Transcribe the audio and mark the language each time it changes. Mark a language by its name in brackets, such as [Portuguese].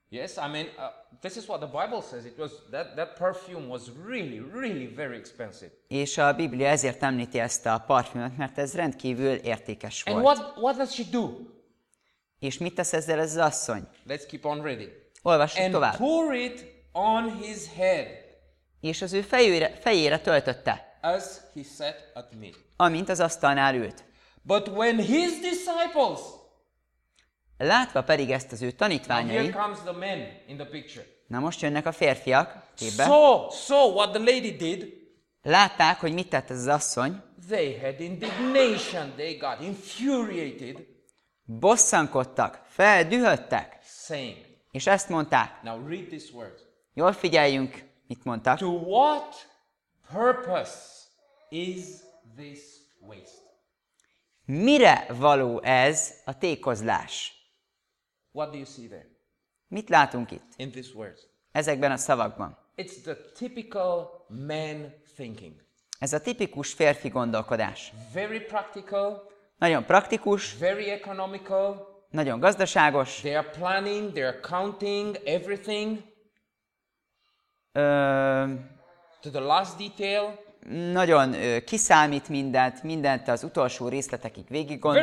[English] Yes, I mean this is what the Bible says. It was that perfume was really, really very expensive. [Hungarian] És a Biblia ezért említi ezt a parfümöt, mert ez rendkívül értékes volt. [English] And what does she do? [Hungarian] És mit tesz ezzel ez az asszony? [English] Let's keep on reading. [Hungarian] Olvassuk [English] and [Hungarian] tovább. [English] And pour it on his head. [Hungarian] És az ő fejére töltötte. [English] As he sat at meat. [Hungarian] Amint az asztalnál ült. [English] But when his disciples. [Hungarian] Látva pedig ezt az ő tanítványai. [English] Here comes the men in the picture. [Hungarian] Na most jönnek a férfiak képbe. [English] So what the lady did. [Hungarian] Látták, hogy mit tett ez az asszony. [English] They had indignation. They got infuriated. [Hungarian] Bosszankodtak, feldühödtek. [English] Saying. [Hungarian] És ezt mondták. [English] Now read this word. [Hungarian] Jól figyeljünk, mit mondtak. [English] To what purpose is this waste? [Hungarian] Mire való ez a tékozlás? [English] What do you see there? [Hungarian] Mit látunk itt? [English] In these words. [Hungarian] Ezekben a szavakban. [English] It's the typical man thinking. [Hungarian] Ez a tipikus férfi gondolkodás. [English] Very practical. [Hungarian] Nagyon praktikus. [English] Very economical. [Hungarian] Nagyon gazdaságos. [English] They are planning, they are counting everything. To the last detail. [Hungarian] Nagyon kiszámít mindent, mindent az utolsó részletekig végig gondol.